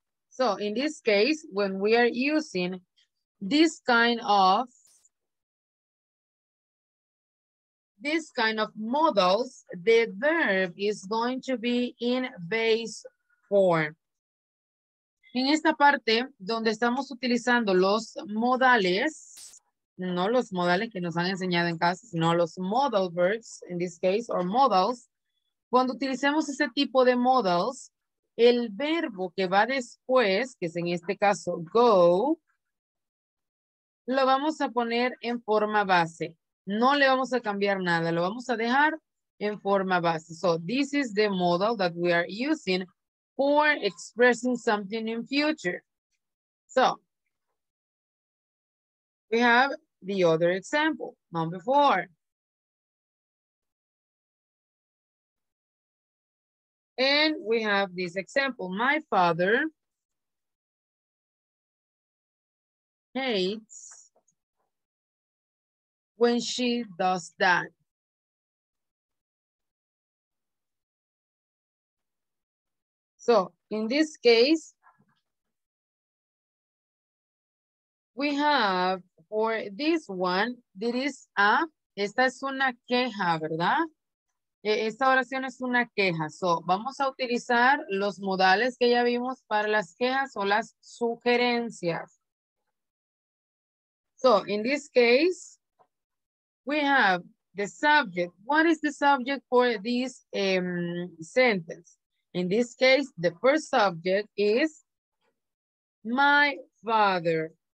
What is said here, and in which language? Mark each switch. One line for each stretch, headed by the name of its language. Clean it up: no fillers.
English: So in this case, when we are using this kind of models, the verb is going to be in base form.
Spanish: En esta parte donde estamos utilizando los modales, no los modales que nos han enseñado en casa, sino los modal verbs,
English: in this case,
Spanish: or models, cuando utilicemos ese tipo de models, el verbo que va después, que es en este caso go, lo vamos a poner en forma base. No le vamos a cambiar nada, lo vamos a dejar en forma base.
English: So this is the model that we are using for expressing something in future. So we have the other example, number four. And we have this example. My father hates when she does that. So in this case, we have for this one, this is a,
Spanish: esta es una queja, ¿verdad? Esta oración es una queja. So vamos a utilizar los modales que ya vimos para las quejas o las sugerencias.
English: So in this case, we have the subject. What is the subject for this sentence? In this case, the first subject is my father.